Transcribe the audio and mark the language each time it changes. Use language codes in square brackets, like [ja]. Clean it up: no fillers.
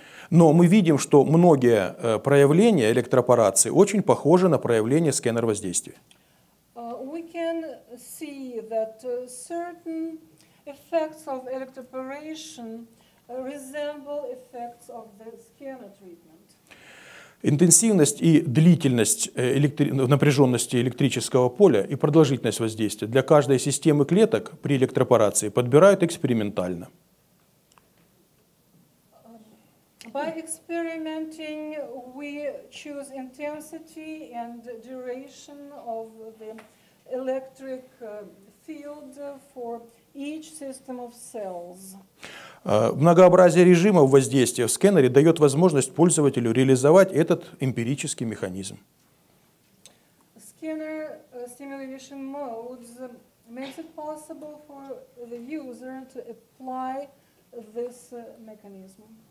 [ru] Но мы видим, что многие проявления электропорации очень похожи на проявления сканер-воздействия. [en] We can see that certain effects of electroporation resemble effects of the scanner treatment. [ru] Интенсивность и длительность напряженности электрического поля и продолжительность воздействия для каждой системы клеток при электропорации подбирают экспериментально. [en] By experimenting, we choose intensity and duration of the electric field for each system of cells. [ru] Многообразие режимов воздействия в сканере дает возможность пользователю реализовать этот эмпирический механизм. [en] Scanner stimulation modes makes it possible for the user to apply this mechanism.